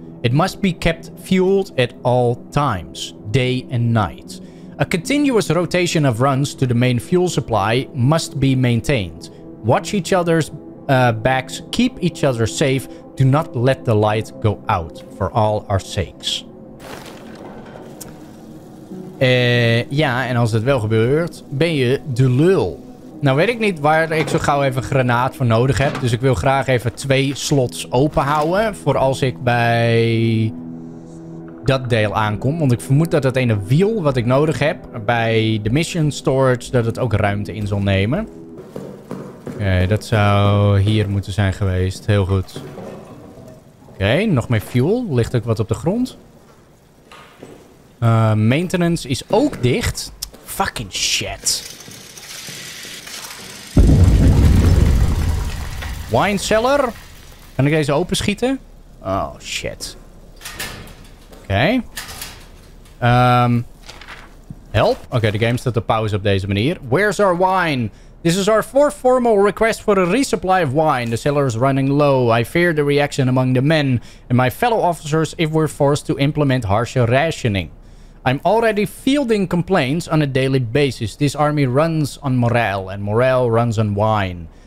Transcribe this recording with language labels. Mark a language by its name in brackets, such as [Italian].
[English] It must be kept fueled at all times, day and night. A continuous rotation of runs to the main fuel supply must be maintained. Watch each other's backs. Keep each other safe. Do not let the light go out for all our sakes. [Dutch] Ja, en als het wel gebeurt, ben je de lul. Nou weet ik niet waar ik zo gauw even een granaat voor nodig heb. Dus ik wil graag even 2 slots open houden. Voor als ik bij dat deel aankom. Want ik vermoed dat het ene wiel wat ik nodig heb bij de mission storage, dat het ook ruimte in zal nemen. Oké, dat zou hier moeten zijn geweest. Heel goed. Oké, nog meer fuel. Ligt ook wat op de grond. Maintenance is ook dicht. [English] Fucking shit. Wine cellar. [Dutch] Kan ik deze open schieten? Oh, shit. Oké. Help. Oké, de game staat op pauze op deze manier. [English] Where's our wine? This is our 4th formal request for a resupply of wine. The cellar is running low. I fear the reaction among the men and my fellow officers if we're forced to implement harsher rationing. I'm already fielding complaints on a daily basis. This army runs on morale and morale runs on wine.